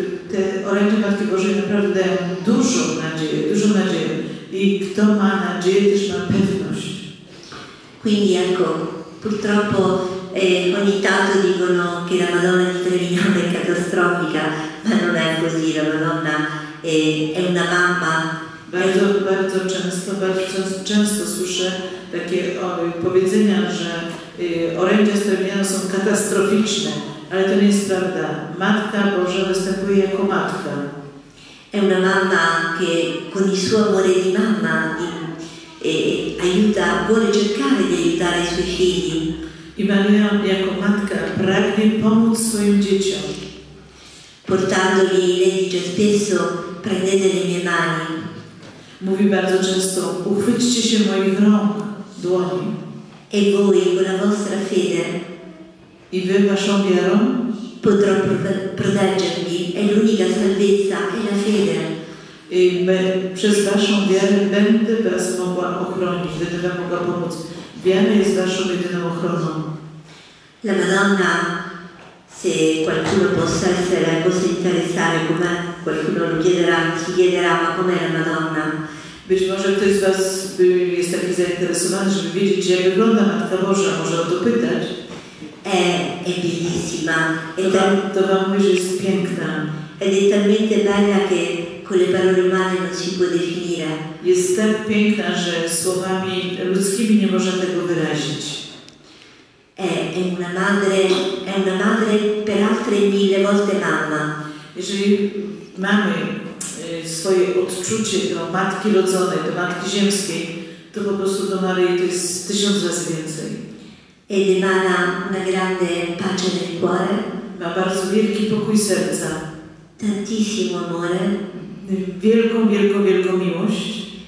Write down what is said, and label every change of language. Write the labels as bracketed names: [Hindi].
[Polish] Te orędzie Matki Bożej naprawdę dają dużą nadzieję, i kto ma nadzieję, też ma pewność. [Italian] Quindi ecco, purtroppo ogni tanto dicono che la Madonna di Trevignano è catastrofica, ma non è così, la Madonna è una mamma. [Polish] Bardzo często słyszę takie powiedzenia, że orędzia z Trevignano są katastroficzne, ale to nie jest prawda. Matka Boża występuje jako matka. [Italian] È una mamma che con il suo amore di mamma aiuta, vuole cercare di aiutare i suoi figli. [Polish] I Maria jako matka pragnie pomóc swoim dzieciom. [Italian] Portandoli, lei dice spesso, prendete le mie mani. [Polish] Mówi bardzo często, uchwyćcie się moich rąk, dłoni. [Italian] E voi, con la vostra fede. [Polish] I wy waszą wiarą. [Italian] Potrò proteggermi, è l'unica salvezza, è la fede. [Polish] E przez waszą wiarę będę was mogła ochronić, będę wam mogła pomóc. Wiara jest waszą jedyną ochroną. [Italian] La Madonna, se qualcuno possa essere, possa interessare com'è, qualcuno lo chiederà, ci chiederà, ma com'è la Madonna? [Polish] Być może ktoś z was jest taki zainteresowany, żeby wiedzieć, jak wygląda Matka Boża, może o to pytać. [Italian] È bellissima. [Polish] To wam mówię, że jest piękna. [Italian] Ed è talmente bella che con le parole umane non si può definire. [Polish] Jest tak piękna, że słowami ludzkimi nie można tego wyrazić. [Italian] È una madre per altre mille volte mamma. [Polish] Jeżeli mamy swoje odczucie do Matki Rodzonej, do Matki Ziemskiej, to po prostu do Maryi to jest tysiąc razy więcej. [Italian] Ed emana una grande pace nel cuore. [Polish] Ma bardzo wielki pokój serca. [Italian] Tantissimo amore. [Polish] Wielką, wielką, wielką miłość.